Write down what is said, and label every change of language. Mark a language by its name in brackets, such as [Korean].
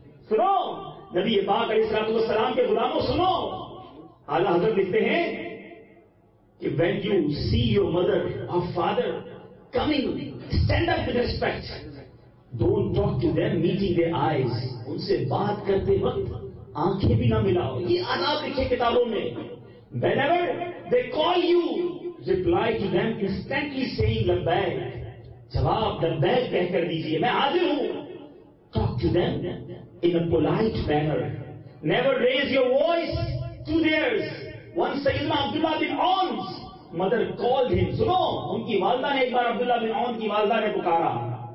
[Urdu] سنو نبی پاک علیہ الصلوۃ والسلام کے غلاموں سنو، اعلی حضرت لکھتے ہیں کہ [English] when you see your mother or father coming, stand up with respect. Don't talk to them meeting their eyes. [Urdu] ان سے بات کرتے وقت آنکھیں بھی نہ ملاؤ. یہ آداب لکھے کتابوں میں. [English] Whenever they call you, reply to them instantly saying لبیک. [Urdu] جواب لبیک کہہ کر دیجئے، میں حاضر ہوں. [English] Talk to them in a polite manner. Never raise your voice to theirs. Once سیدنا Abdullah bin عونس mother called him. [Urdu] سنو ان کی والدہ نے ایک بار عبداللہ بن عونس کی والدہ نے پکارا.